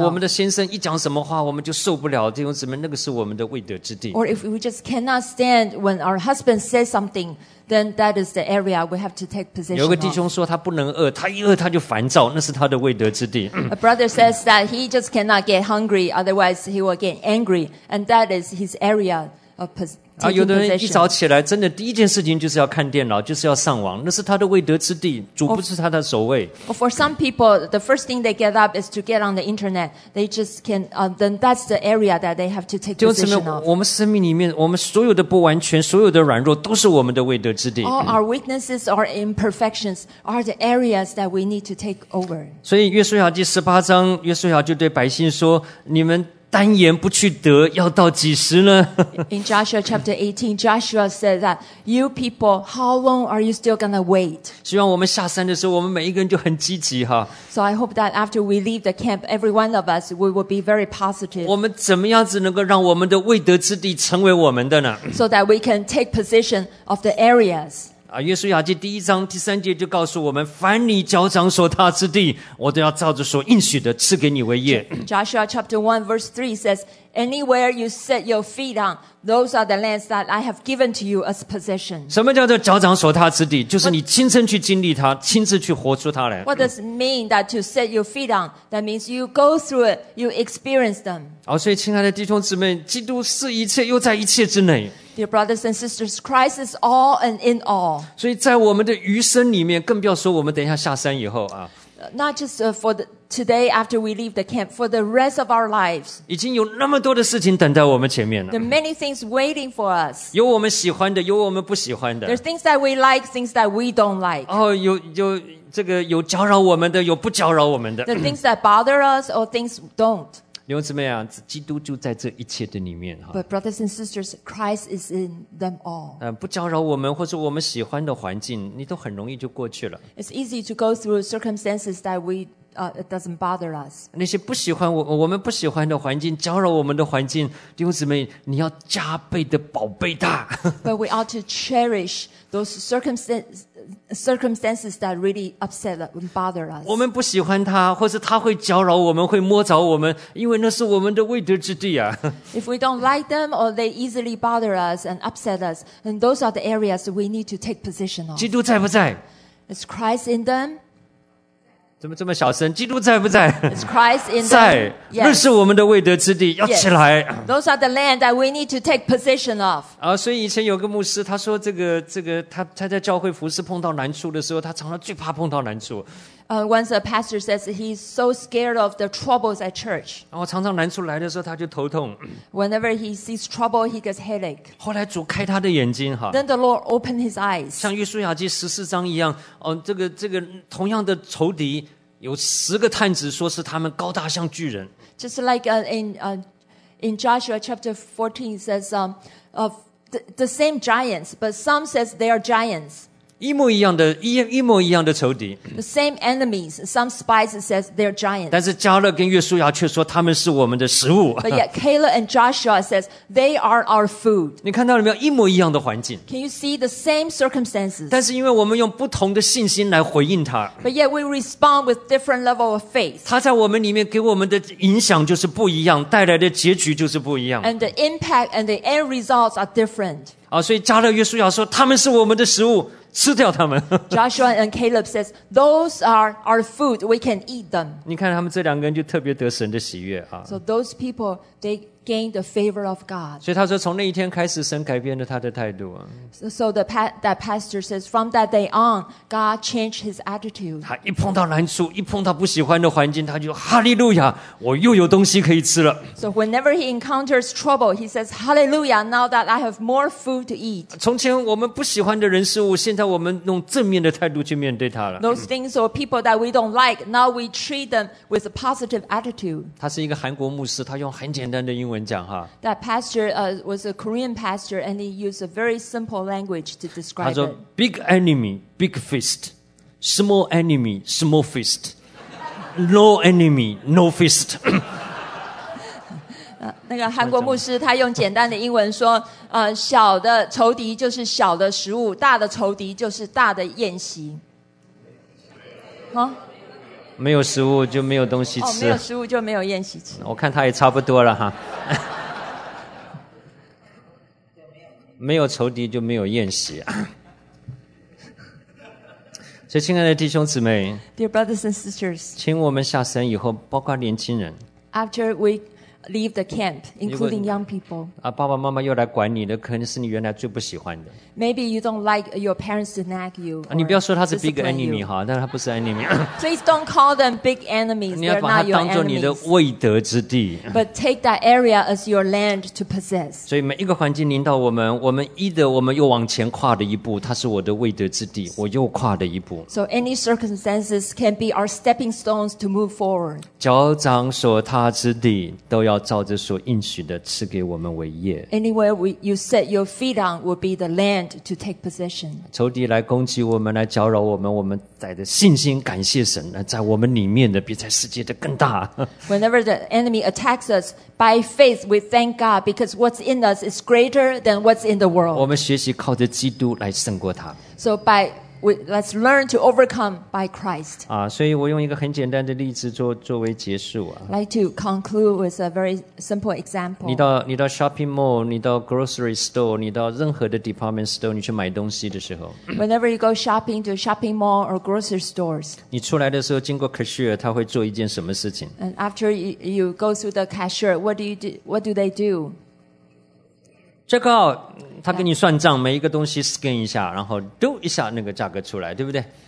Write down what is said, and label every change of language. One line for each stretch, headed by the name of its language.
Chinese: 我们的先生一讲什么话我们就受不了，弟兄姊妹，那个是我们的未得之地。
English: Or if we just cannot stand when our husband says something,then that is the area we have to take position.
Chinese: 有个弟兄说他不能饿，他一饿他就烦躁，那是他的未得之地。
English: A brother says that he just cannot get hungry, otherwise he will get angry, and that is his area of possession.
Chinese: 有的人一早起来真的第一件事情就是要看电脑，就是要上网，那是他的未得之地，主不是他的首位。
English: For some people, the first thing they get up is to get on the internet. They just can, then that's the area that they have to take position of.
Chinese: 我们生命里面我们所有的不完全，所有的软弱都是我们的未得之地。
English: All our weaknesses, our imperfections are the areas that we need to take over.
Chinese: 所以约书亚记十八章，约书亚就对百姓说，你们单言不去得，要到几时呢？
English: In Joshua chapter 18, Joshua said that you people, how long are you still gonna wait?
Chinese: 希望我们下山的时候，我们每一个人就很积极哈。
English: So I hope that after we leave the camp, every one of us, we will be very positive.
Chinese: 我们怎么样子能够让我们的未得之地成为我们的呢？
English: So that we can take possession of the areas.
Chinese: 约书亚记第一章第三节就告诉我们，凡你脚掌所踏之地，我都要照着所应许的赐给你为业。
English: Joshua chapter 1 verse 3 says, Anywhere you set your feet on, those are the lands that I have given to you as possession.
Chinese: 什么叫做脚掌所踏之地？就是你亲身去经历它，亲自去活出它来。
English: What does it mean that to set your feet on? That means you go through it, you experience them.
Chinese: 所以亲爱的弟兄姊妹，基督是一切又在一切之内。
English: Dear brothers and sisters, Christ is all and in all.
Chinese: 所以在我们的余生里面，更不要说我们等一下下山以后啊。
English: Not just for today after we leave the camp, for the rest of our lives.
Chinese: 已经有那么多的事情等在我们前面了。
English: There are many things waiting for us.
Chinese: 有我们喜欢的，有我们不喜欢的。
English: There are things that we like, things that we don't like.
Chinese: 有这个有搅扰我们的，有不搅扰我们的。
English: The things that bother us or things don't.
Chinese: 弟兄姊妹啊，基督就在这一切的里面。
English: But brothers and sisters, Christ is in them all.
Chinese: 不搅扰我们或者我们喜欢的环境，你都很容易就过去了。
English: It's easy to go through circumstances that we it doesn't bother us.
Chinese: 那些不喜欢我们不喜欢的环境，搅扰我们的环境，弟兄姊妹，你要加倍的宝贝它。
English: But we ought to cherish those circumstances that really upset and bother us.
Chinese: 我们不喜欢它，或者它会搅扰我们，会摸着我们，因为那是我们的未得之地啊。
English: If we don't like them or they easily bother us and upset us, then those are the areas we need to take position on.
Chinese: 基督在不在
English: ？Is Christ in them?
Chinese: 怎么这么小声？基督在不在
English: ？Is Christ in them?
Chinese: 在，
English: yes.
Chinese: 那是我们的未得之地，要起来。
English: Yes. Those are the land that we need to take position of.
Chinese: 啊，所以以前有个牧师，他说这个他在教会服事碰到难处的时候，他常常最怕碰到难处。
English: Once a pastor says he's so scared of the troubles at church.
Chinese: 然后常常难处来的时候，他就头痛。
English: Whenever he sees trouble, he gets headache.
Chinese: 后来主开他的眼睛哈。
English: Then the Lord opened his eyes.
Chinese: 像约书亚记十四章一样，这个同样的仇敌有十个探子，说是他们高大像巨人。
English: Just like in Joshua chapter 14 says of the same giants, but some says they are giants.
Chinese: 一模一样的仇敌。
English: The same enemies, some spies says they're giants.
Chinese: 但是加勒跟约书亚却说他们是我们的食物。
English: But yet Caleb and Joshua says they are our food.
Chinese: 你看到了没有？一模一样的环境。
English: Can you see the same circumstances?
Chinese: 但是因为我们用不同的信心来回应他。
English: But yet we respond with different level of faith.
Chinese: 他在我们里面给我们的影响就是不一样，带来的结局就是不一样。
English: And the impact and the end results are different.
Chinese: 啊，所以加勒约书亚说他们是我们的食物。吃掉他们。
English: Joshua and Caleb says, those are our food, we can eat them.
Chinese: 你看他们这两个人就特别得神的喜悦啊。
English: So those people, they gain the favor of God.
Chinese: 所以他说从那一天开始神改变了他的态度。
English: So that pastor says, from that day on, God changed his attitude.
Chinese: 他一碰到难处，一碰到不喜欢的环境，他就哈利路亚，我又有东西可以吃了。
English: So whenever he encounters trouble, he says, hallelujah, now that I have more food to eat.
Chinese: 从前我们不喜欢的人事物，现在我们用正面的态度去面对他了。
English: Those things or people that we don't like, now we treat them with a positive attitude.
Chinese: 他是一个韩国牧师，他用很简单的英文讲哈。
English: That pastor was a Korean pastor, and he used a very simple language to describe it.
Chinese: 他说
English: ，big enemy, big fist; small enemy, small fist; no enemy, no fist.
Chinese: 那个韩国牧师他用简单的英文说，小的仇敌就是小的食物，大的仇敌就是大的宴席。没有食物就没有东西吃。没有食物就没有宴席吃。我看他也差不多了哈。没有仇敌就没有宴席。所以，亲爱的弟兄姊妹
English: ，Dear brothers and sisters，
Chinese: 请我们下山以后，包括年轻人
English: ，After we leave the camp, including young people.
Chinese: 啊，爸爸妈妈又来管你的，可能是你原来最不喜欢的。
English: Maybe you don't like your parents to nag you.
Chinese: 啊，你不要说他是
English: big enemy
Chinese: 哈，但他不是 enemy.
English: Please don't call them big enemies. They're not your enemies.
Chinese: 你要把它当作你的未得之地。
English: But take that area as your land to possess.
Chinese: 所以每一个环境临到我们，我们 either 我们又往前跨了一步，它是我的未得之地，我又跨了一步。
English: So any circumstances can be our stepping stones to move forward.
Chinese: 脚掌所踏之地都要照着所应许的赐给我们为业。
English: Anywhere you set your feet on will be the land to take possession.
Chinese: 仇敌来攻击我们，来搅扰我们，我们带着信心感谢神，在我们里面的比在世界的更大。
English: Whenever the enemy attacks us, by faith we thank God because what's in us is greater than what's in the world.
Chinese: 我们学习靠着基督来胜过他。
English: So by let's learn to overcome by Christ.
Chinese: 啊，所以我用一个很简单的例子作为结束啊。
English: Like to conclude with a very simple example.
Chinese: 你到 shopping mall, 你到 grocery store, 你到任何的 department store, 你去买东西的时候。
English: Whenever you go shopping to shopping mall or grocery stores.
Chinese: 你出来的时候经过 cashier, 他会做一件什么事情
English: ？And after you go through the cashier, what do they do? Check out.
Chinese: 他跟你算账，每一个东西 scan 一下，然后丢一下那个价格出来，对不对